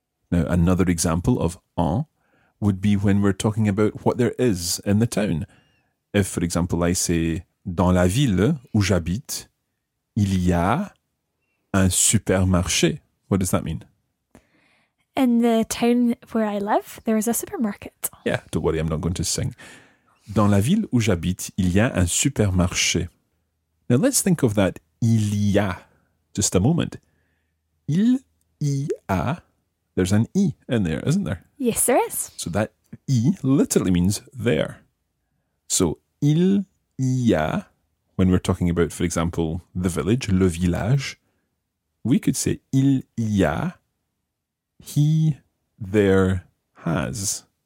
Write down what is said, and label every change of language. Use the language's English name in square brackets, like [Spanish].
[English] Now, another example of en would be when we're talking about what there is in the town. If, for example, I say, [French] dans la ville où j'habite, il y a un supermarché. [English] What does that mean? In the town where I live, there is a supermarket. Yeah, don't worry, I'm not going to sing. [French] Dans la ville où j'habite, il y a un supermarché. [English] Now, let's think of that il y a, just a moment. [French] Il y a, [English] there's an I in there, isn't there? Yes, there is. So that I literally means there. So [French] il y a, [English] when we're talking about, for example, the village, [French] le village, [English] we could say il y a, he there has.